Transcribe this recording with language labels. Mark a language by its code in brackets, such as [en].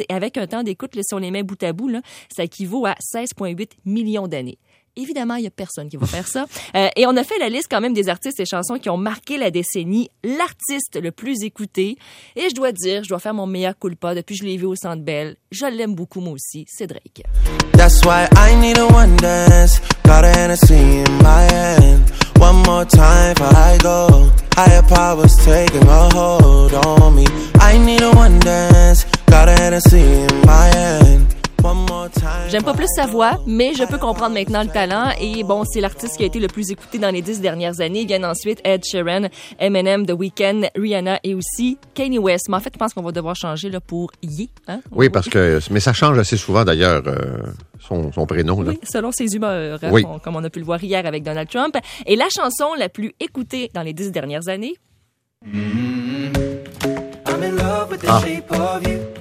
[fr] Et avec un temps d'écoute, là, si on les met bout à bout, là, ça équivaut à 16,8 millions d'années. Évidemment, il n'y a personne qui va faire ça. Et on a fait la liste quand même des artistes et chansons qui ont marqué la décennie. L'artiste le plus écouté. Et je dois dire, je dois faire mon meilleur culpa depuis que je l'ai vu au Centre Bell. Je l'aime beaucoup, moi aussi. C'est Drake. [en] That's why I need a one dance. Got a Hennessy in my hand. One more time before I go. Higher powers taking a hold on me. I need a one dance. Got a Hennessy in my hand. [fr] J'aime pas plus sa voix, mais je peux comprendre maintenant le talent. Et bon, c'est l'artiste qui a été le plus écouté dans les 10 dernières années. Il vient ensuite Ed Sheeran, Eminem, The Weeknd, Rihanna et aussi Kanye West. Mais en fait, je pense qu'on va devoir changer là, pour Ye. Hein? Oui, parce que... Mais ça change assez souvent, d'ailleurs, son prénom. Là. Oui, selon ses humeurs, oui. Comme on a pu le voir hier avec Donald Trump. Et la chanson la plus écoutée dans les 10 dernières années... [en] I'm in love with the shape of you.